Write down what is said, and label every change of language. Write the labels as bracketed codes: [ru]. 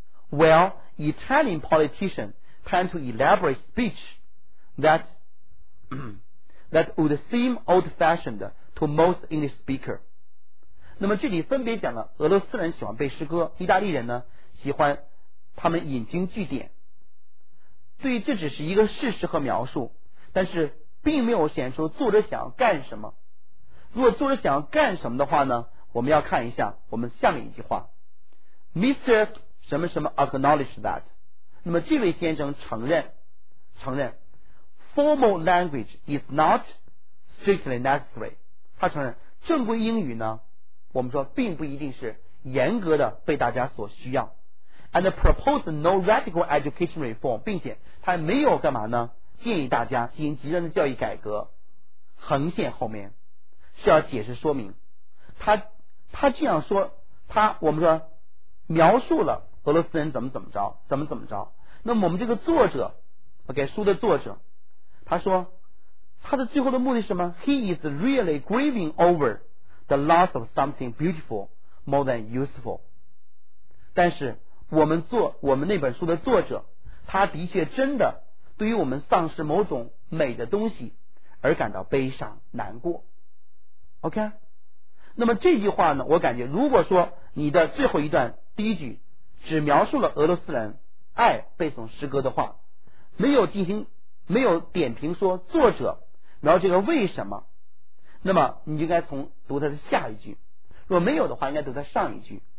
[en] Well, Italian politicians tend to elaborate speech that would seem old-fashioned to most English speaker。 [zh] 那么这里分别讲了俄罗斯人喜欢背诗歌，意大利人呢喜欢他们引经据典，对这只是一个事实和描述，但是并没有显出作者想要干什么。如果作者想要干什么的话呢，我们要看一下我们下面一句话， Mr. 什么什么 [en] acknowledge that， [zh] 那么这位先生承认 [en] formal language is not strictly necessary， [zh] 他承认正规英语呢，我们说并不一定是严格的被大家所需要。 [en] And propose no radical education reform， [zh] 并且他没有干嘛呢，建议大家进行极端的教育改革。横线后面是要解释说明，他这样说，他我们说描述了俄罗斯人怎么着。那么我们这个作者 OK， 书的作者他说他的最后的目的是什么？ [en] He is really grieving over the loss of something beautiful more than useful。 [zh] 但是我们那本书的作者，他的确真的对于我们丧失某种美的东西而感到悲伤难过。 OK， 那么这句话呢，我感觉如果说你的最后一段第一句只描述了俄罗斯人爱背诵诗歌的话，没有点评说作者描述这个为什么，那么你就应该从读他的下一句，如果没有的话应该读他上一句。